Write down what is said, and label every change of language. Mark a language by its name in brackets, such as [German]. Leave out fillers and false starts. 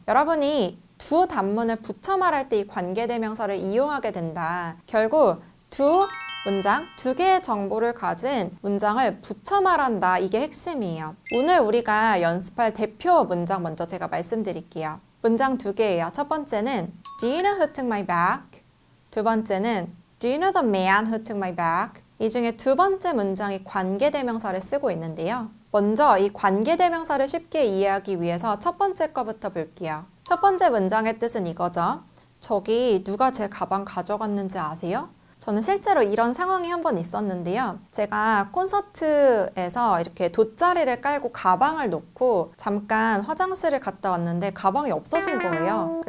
[Korean] 여러분이 두 단문을 붙여 말할 때이 관계대명사를 이용하게 된다. 결국 두 문장, 두 개의 정보를 가진 문장을 붙여 말한다. 이게 핵심이에요. 오늘 우리가 연습할 대표 문장 먼저 제가 말씀드릴게요. 문장 두 개예요. 첫 번째는 [English] Do you know who took my bag? [Korean] 두 번째는 [English] Do you know the man who took my bag? [Korean] 이 중에 두 번째 문장이 관계대명사를 쓰고 있는데요. 먼저 이 관계대명사를 쉽게 이해하기 위해서 첫 번째 거부터 볼게요. 첫 번째 문장의 뜻은 이거죠. 저기 누가 제 가방 가져갔는지 아세요? 저는 실제로 이런 상황이 한번 있었는데요. 제가 콘서트에서 이렇게 돗자리를 깔고 가방을 놓고 잠깐 화장실을 갔다 왔는데 가방이 없어진 거예요.